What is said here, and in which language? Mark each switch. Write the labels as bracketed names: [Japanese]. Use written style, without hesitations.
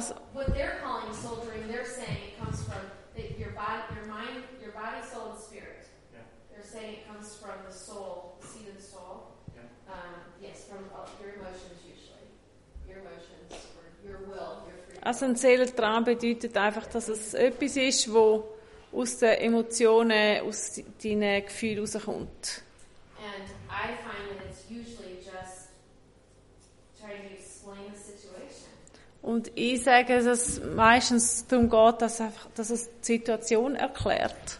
[English] So, what they're calling soul dream, they're saying it comes from your body, your mind, your body, soul, and spirit. Yeah. They're saying it comes from the soul, see the soul. Yeah. Yes, from your emotions usually, your emotions or your will, your freedom. [German] Also ein Seelentraum bedeutet einfach, dass es etwas ist, wo aus den Emotionen, aus deinen Gefühlen rauskommt. [English] And I find that it's usually just trying to explain the situation. [German] Und ich sage, dass es meistens darum geht, dass es die Situation erklärt.